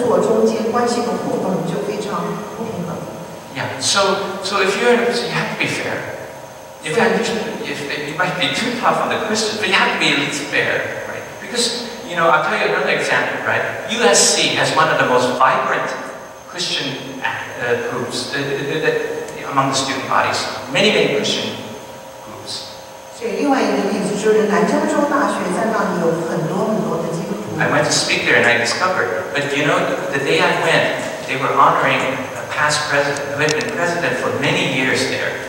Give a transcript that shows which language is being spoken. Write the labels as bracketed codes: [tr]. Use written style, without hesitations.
[zh] 如果是这样的情况，那你在工作中间关系的互动就非常不平衡。 [en] Yeah, so if you're in a position, you have to be fair. In fact, you might be too tough on the Christians, but you have to be at least fair, right? Because, you know, I'll tell you another example, right? USC has one of the most vibrant Christian groups among the student bodies, many, many Christian groups. [zh] 对，另外一个例子就是南加州大学，在那里有很多很多的基督徒。 [en] I went to speak there and I discovered, but you know, the day I went, they were honoring a past president who had been president for many years there.